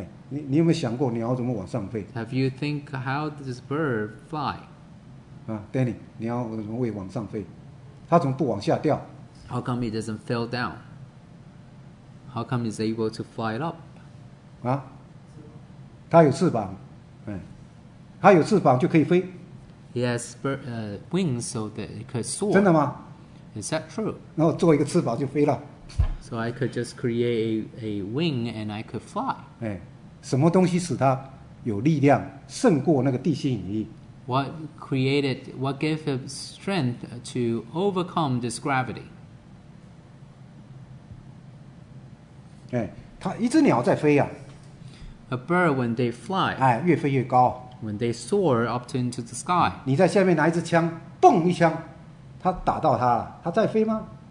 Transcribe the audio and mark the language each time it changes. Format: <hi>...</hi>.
<zh>你有没有想过鸟怎么往上飞？</zh> <en>Have you think how this bird fly?</en> <zh>Danny, 鸟怎么会往上飞？它怎么不往下掉？</zh> <en>How come it doesn't fall down? How come it's able to fly up?</en> <zh>它有翅膀，它有翅膀就可以飞。</zh> <en>Yes, wings so that it could soar.</en> <zh>真的吗？</zh> <en>Is that true?</en> <zh>然后做一个翅膀就飞了。</zh> <en>So I could just create a wing and I could fly.</en> <zh>什么东西使它有力量胜过那个地心引力？</zh> <en>What gave it strength to overcome this gravity?</en> <zh>它一只鸟在飞啊。</zh> <en>A bird when they fly.</en> <zh>越飞越高。</zh> <en>When they soar up to into the sky.</en> <zh>你在下面拿一支枪，嘣一枪，它打到它了，它在飞吗？</zh>